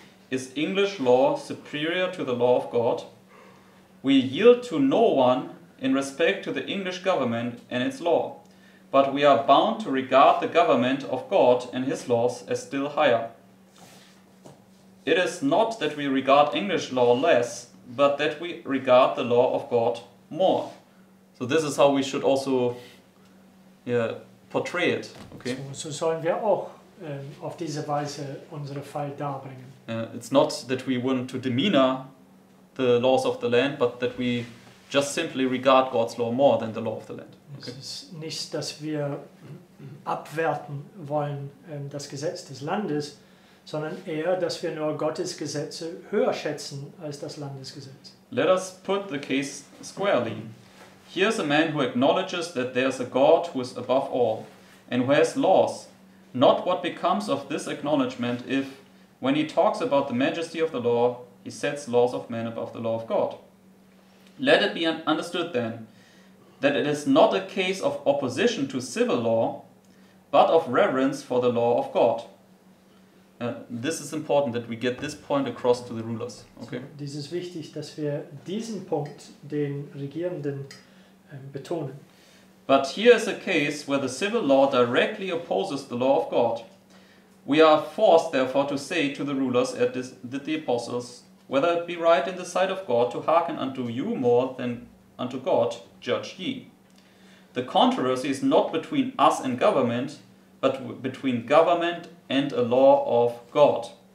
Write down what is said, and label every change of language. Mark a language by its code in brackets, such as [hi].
[en] Is English law superior to the law of God? We yield to no one in respect to the English government and its law, but we are bound to regard the government of God and his laws as still higher. It is not that we regard English law less, but that we regard the law of God more. So this is how we should also portray it. Okay. [de] So sollen wir auch auf diese Weise unsere Fall darbringen. [en] It's not that we want to demeanor the laws of the land, but that we just simply regard God's law more than the law of the land. Okay. [de] Es ist nicht, dass wir abwerten wollen das Gesetz des Landes, sondern eher, dass wir nur Gottes Gesetze höher schätzen als das Landesgesetz. [en] Let us put the case squarely. Here's a man who acknowledges that there's a God who is above all and who has laws. Not what becomes of this acknowledgement if, when he talks about the majesty of the law, he sets laws of men above the law of God. Let it be understood then that it is not a case of opposition to civil law, but of reverence for the law of God. This is important that we get this point across to the rulers. Okay. [de] So, dies ist wichtig, dass wir diesen Punkt den Regierenden betonen. [en] But here is a case where the civil law directly opposes the law of God. We are forced, therefore, to say to the rulers that the apostles, whether it be right in the sight of God to hearken unto you more than unto God, judge ye. The controversy is not between us and government, but between government and a law of God.